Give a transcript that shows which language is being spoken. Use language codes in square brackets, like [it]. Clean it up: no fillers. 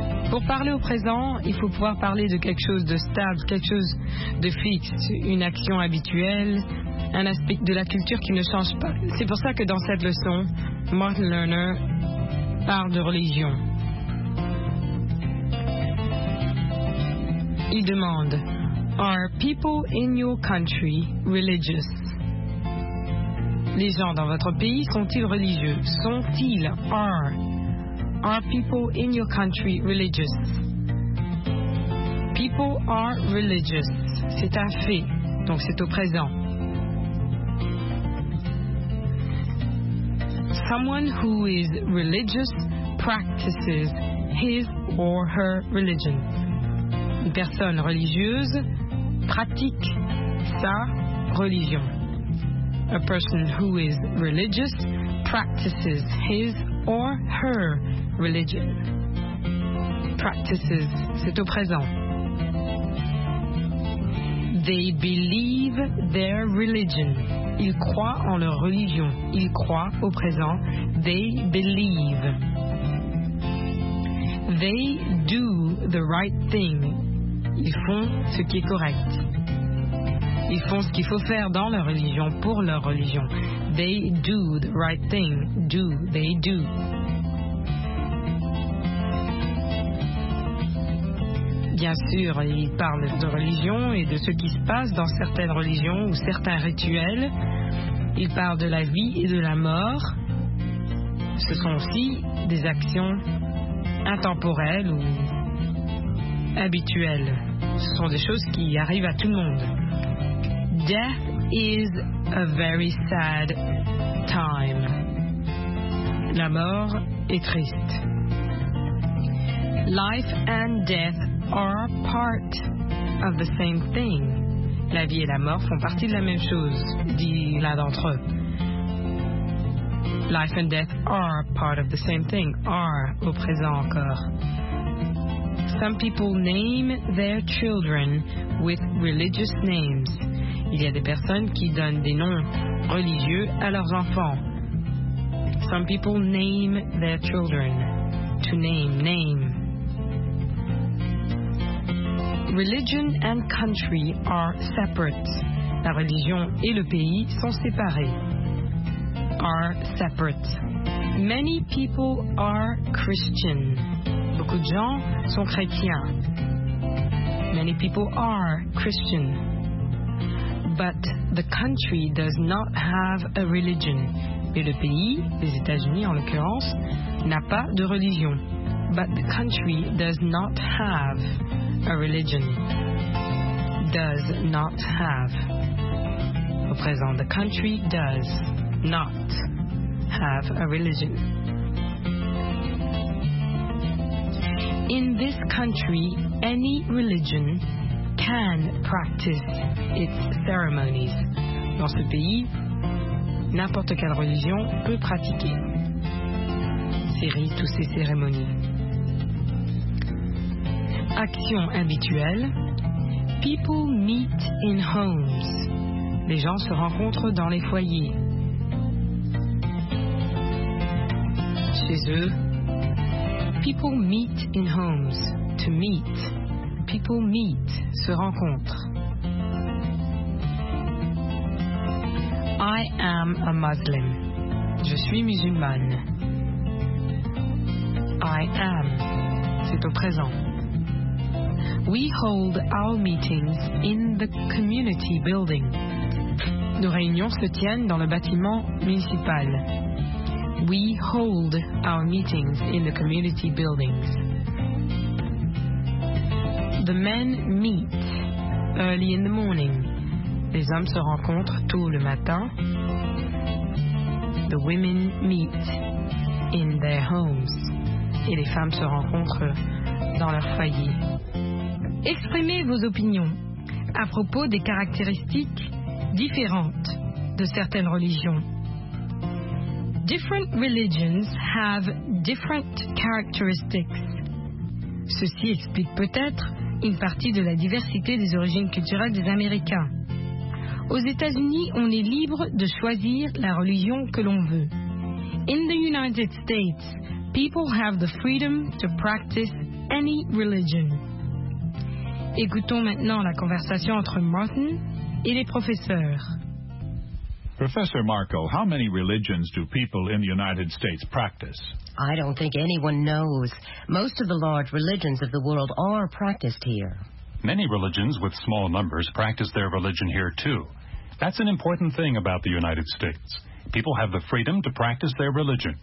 [fr] Pour parler au présent, il faut pouvoir parler de quelque chose de stable, quelque chose de fixe, une action habituelle, un aspect de la culture qui ne change pas. C'est pour ça que dans cette leçon, Martin Lerner parle de religion. Il demande, [en] are people in your country religious? [fr] Les gens dans votre pays sont-ils religieux? Sont-ils? [en] Are people in your country religious? People are religious. [fr] C'est un fait, donc c'est au présent. [en] Someone who is religious practices his or her religion. [fr] Une personne religieuse pratique sa religion. [en] A person who is religious practices his or her religion. practices. [fr] C'est au présent. [en] They believe their religion. [fr] Ils croient en leur religion. Ils croient au présent. [en] They believe. They do the right thing. [fr] Ils font ce qui est correct. Ils font ce qu'il faut faire dans leur religion, pour leur religion. [en] They do the right thing. Do, they do. [fr] Bien sûr, ils parlent de religion et de ce qui se passe dans certaines religions ou certains rituels. Ils parlent de la vie et de la mort. Ce sont aussi des actions intemporelles ou habituelles. Ce sont des choses qui arrivent à tout le monde. [en] Death is a very sad time. [fr] La mort est triste. [en] Life and death are part of the same thing. [fr] La vie et la mort font partie de la même chose, dit l'un d'entre eux. [en] Life and death are part of the same thing, are [fr] au présent encore. [en] Some people name their children with religious names. [fr] Il y a des personnes qui donnent des noms religieux à leurs enfants. [en] Some people name their children. To name, name. Religion and country are separate. [fr] La religion et le pays sont séparés. [en] Are separate. Many people are Christian. [fr] Beaucoup de gens sont chrétiens. [en] Many people are Christian. But the country does not have a religion. [fr] Mais le pays, les États-Unis en l'occurrence, n'a pas de religion. [en] But the country does not have a religion. Does not have. [fr] Au présent, [en] the country does not have a religion. In this country, any religion can practice its ceremonies. [fr] Dans ce pays, n'importe quelle religion peut pratiquer toutes ces cérémonies. Action habituelle. [en] People meet in homes. [fr] Les gens se rencontrent dans les foyers. Chez eux. [en] People meet in homes. To meet. People meet, [fr] se rencontrent. [en] I am a Muslim. [fr] Je suis musulmane. [en] I am. [fr] C'est au présent. [en] We hold our meetings in the community building. [fr] Nos réunions se tiennent dans le bâtiment municipal. [en] We hold our meetings in the community buildings. The men meet early in the morning. [fr] Les hommes se rencontrent tôt le matin. [en] The women meet in their homes. [fr] Et les femmes se rencontrent dans leur foyer. Exprimez vos opinions à propos des caractéristiques différentes de certaines religions. [en] Different religions have different characteristics. [fr] Ceci explique peut-être une partie de la diversité des origines culturelles des Américains. Aux États-Unis, on est libre de choisir la religion que l'on veut. [en] In the United States, people have the freedom to practice any religion. [fr] Écoutons maintenant la conversation entre Martin et les professeurs. [en] Professor Marco, how many religions do people in the United States practice? I don't think anyone knows. Most of the large religions of the world are practiced here. Many religions with small numbers practice their religion here too. That's an important thing about the United States. People have the freedom to practice their religion.